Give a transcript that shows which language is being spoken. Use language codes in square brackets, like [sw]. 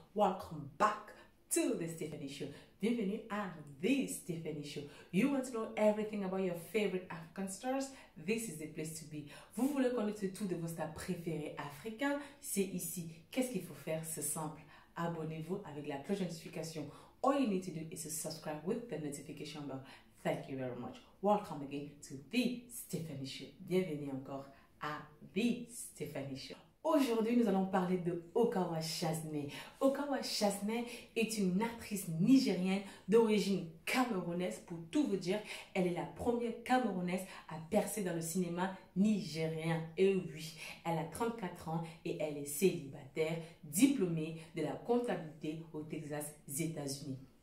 [en] Welcome back to the Stephanie Show. [fr] Bienvenue à The Stephanie Show. [en] You want to know everything about your favorite African stars? This is the place to be. [fr] Vous voulez connaître tout de vos stars préférés africains? C'est ici. Qu'est-ce qu'il faut faire? C'est simple. Abonnez-vous avec la cloche de notification. [en] All you need to do is to subscribe with the notification bell. Thank you very much. Welcome again to The Stephanie Show. [fr] Bienvenue encore à The Stephanie Show. Aujourd'hui, nous allons parler de Okawa Chasney. Okawa Chasney est une actrice nigérienne d'origine camerounaise. Pour tout vous dire, elle est la première camerounaise à percer dans le cinéma nigérien. Et oui, elle a 34 ans et elle est célibataire, diplômée de la comptabilité au Texas, États-Unis.